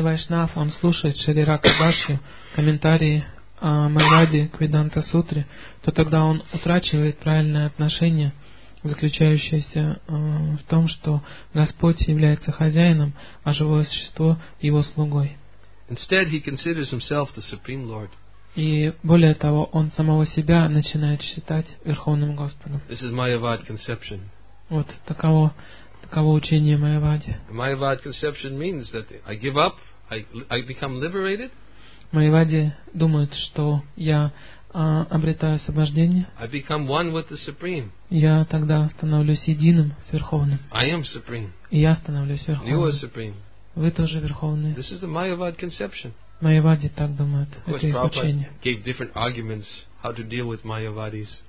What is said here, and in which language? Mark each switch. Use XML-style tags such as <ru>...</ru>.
<ru>Вайшнав, он слушает Шарирака Бхашью, комментарии Майявади к Веданта Сутре, то тогда он утрачивает правильное отношение, заключающееся в том, что Господь является хозяином, а живое существо — его слугой.</ru> <en>Instead, he considers himself the Supreme Lord.</en> <ru>И более того, он самого себя начинает считать Верховным Господом.</ru> <en>This is Mayavad conception.</en> <ru>Вот таково учение Майявади.</ru> <en>Mayavad conception means that I give up, I become liberated.</en> <ru>Майявади думают, что я обретаю освобождение.</ru> <en>I become one with the Supreme.</en> <ru>Я тогда становлюсь единым с Верховным.</ru> <en>I am Supreme.</en> <ru>И я становлюсь Верховным.</ru> <en>You are Supreme.</en> <ru>Вы тоже Верховный.</ru> <en>This is the Mayavad conception.</en> <ru>Майявади так думают.</ru> <en>Of course, Prabhupada gave different arguments how to deal with Mayavadis.</en>